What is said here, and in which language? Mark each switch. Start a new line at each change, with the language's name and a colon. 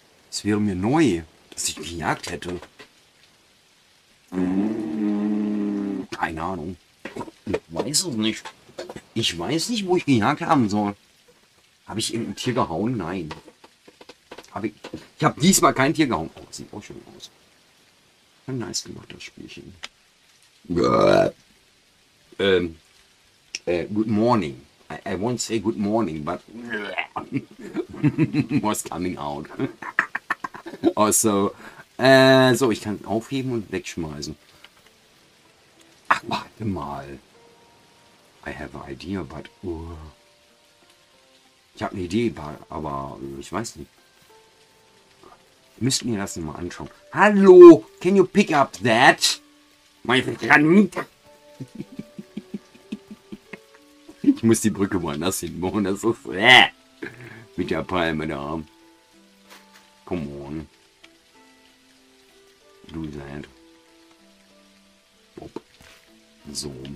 German: Es wäre mir neu, dass ich gejagt hätte. Keine Ahnung. Ich weiß es nicht. Ich weiß nicht, wo ich gejagt haben soll. Habe ich irgendein Tier gehauen? Nein. Ich habe diesmal kein Tier gehauen. Oh, das sieht auch schön aus. Ein nice gemachtes Spielchen.
English: Good morning. I won't say good morning, but was coming out.
German: Also, so, ich kann aufheben und wegschmeißen. Ach, warte mal.
English: I have an idea, but
German: ich habe eine Idee, aber ich weiß nicht. Müssten wir das mal anschauen. Hallo,
English: can you pick up that? My friend.
German: Ich muss die Brücke woanders hinbauen. Das ist mit der Palme da.
English: Come on.
German: Stuhl sein. Bob. So.